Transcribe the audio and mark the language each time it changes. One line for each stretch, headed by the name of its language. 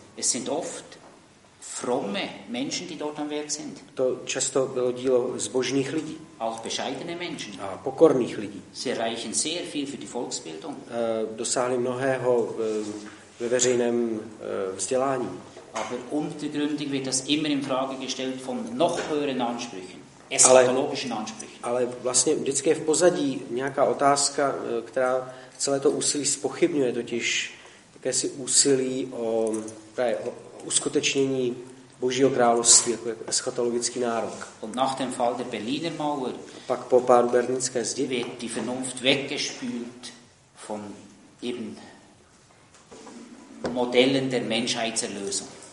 German: Es sind oft fromme Menschen, die dort am Werk sind.
Czech: To často bylo dílo zbožných lidí.
German: Auch bescheidene Menschen.
Czech: A pokorných lidí.
German: Sie reichen sehr viel für die Volksbildung.
Czech: Dosáhli mnohého ve veřejném vzdělání.
German: Aber untergründig wird das immer in Frage gestellt von noch höheren Ansprüchen. Eschatologischen Ansprüchen.
Czech: Ale vlastně vždycky je v pozadí nějaká otázka, která celé to úsilí zpochybňuje, totiž jakési úsilí o uskutečnění Božího království jako eschatologický nárok.
German: Und nach dem Fall der Berliner Mauer,
Czech: pak po pádu berlínské zdi,
German: wird die Vernunft weggespült von eben Modellen der Menschheitserlösung.